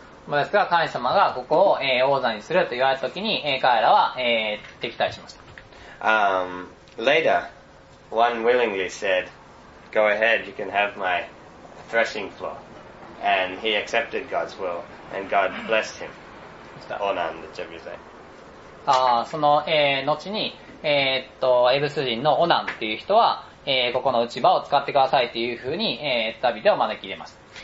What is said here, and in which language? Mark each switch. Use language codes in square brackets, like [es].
[ja] ですが、神様がここを、王座にすると言われたときに、彼らは、敵対しました。 [en] Later, one willingly said, go ahead, you can have my threshing floor, and he accepted God's will, and God blessed him. Onan the Jebusite. [ja] ああ、その、後に、エブス人のオナンっていう人は、ここの内場を使ってくださいというふうに、ダビデを招き入れます。